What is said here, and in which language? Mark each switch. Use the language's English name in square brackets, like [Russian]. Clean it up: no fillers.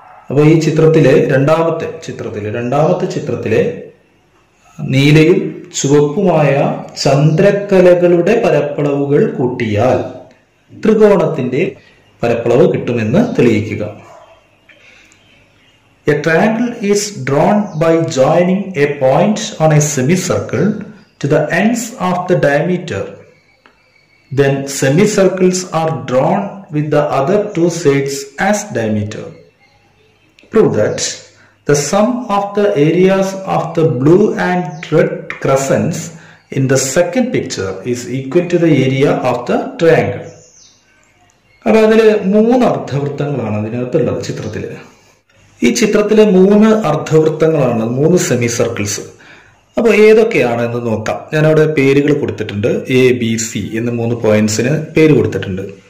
[Malayalam] അപ്പോൾ ഈ ചിത്രത്തിലെ രണ്ടാമത്തെ ചിത്രത്തിലെ നീലയും ചുവപ്പുമായ ചന്ദ്രക്കലകളുടെ പരപ്പളവുകൾ കൂട്ടിയാൽ ത്രികോണത്തിന്റെ പരപ്പളവ് കിട്ടുമെന്ന് തെളിയിക്കുക. [English] A triangle is drawn by joining a point on a semicircle to the ends of the diameter. Then semicircles are drawn with the other two sides as diameter. Prove that the sum of the areas of the blue and red crescents in the second picture is equal to the area of the triangle. [Malayalam] അപ്പോൾ അതിലെ മൂന്ന് അർദ്ധവൃത്തങ്ങളാണ് അതിനകത്തുള്ളത് ചിത്രത്തിൽ. ഈ ചിത്രത്തിലെ മൂന്ന് അർദ്ധവൃത്തങ്ങളാണ് മൂന്ന് semi circles. അപ്പോൾ ഏതൊക്കെയാണ് എന്ന് നോക്കാം. ഞാനവിടെ പേരുകൾ കൊടുത്തിട്ടുണ്ട്. എ ബി സി എന്ന് മൂന്ന് പോയിന്റ്സിന് പേര് കൊടുത്തിട്ടുണ്ട്.